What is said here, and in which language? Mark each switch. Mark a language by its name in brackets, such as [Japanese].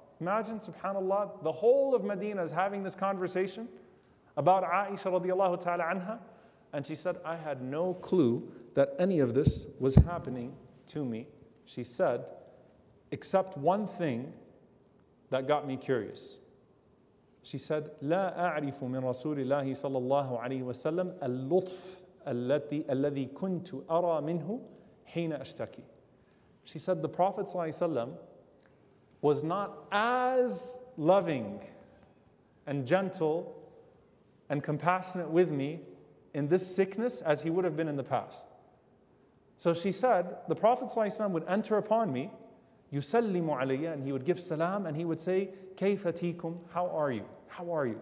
[English] Imagine, subhanAllah, the whole of Medina is having this conversation about Aisha radiallahu ta'ala anha. And she said, I had no clue that any of this was happening to me. She said, except one thing that got me curious. She said, [Arabic] لا أعرف من رسول الله صلى الله عليه وسلم اللطف الذي كنت أرى منه حين أشتكي. [English] She said, the Prophet صلى الله عليه وسلم was not as loving and gentle and compassionate with me in this sickness as he would have been in the past. So she said, the Prophet ﷺ would enter upon me, [Arabic] يُسَلِّمُ عَلَيَّ, [English] and he would give salam, and he would say, [Arabic] كَيْفَ تِيكُمْ, [English] how are you? How are you?